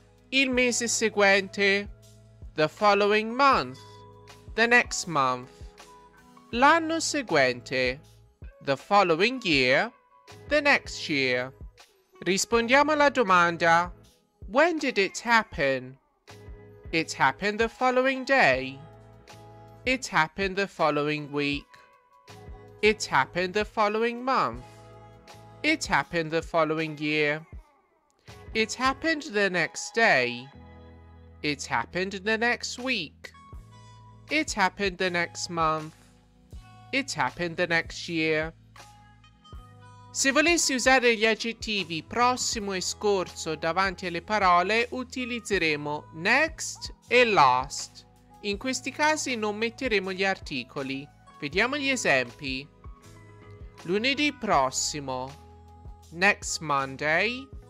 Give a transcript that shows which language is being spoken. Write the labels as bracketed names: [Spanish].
[Italian] Il mese seguente, [English] the following month, the next month. [Italian] L'anno seguente, [English] the following year, the next year. [Italian] Rispondiamo alla domanda. [English] When did it happen? It happened the following day. It happened the following week. It happened the following month. It happened the following year. It happened the next day. It happened the next week. It happened the next month. It happened the next year. [Italian] Se volessi usare gli aggettivi prossimo e scorso davanti alle parole, utilizzeremo next e last. In questi casi non metteremo gli articoli. Vediamo gli esempi. Lunedì prossimo, [English] next Monday.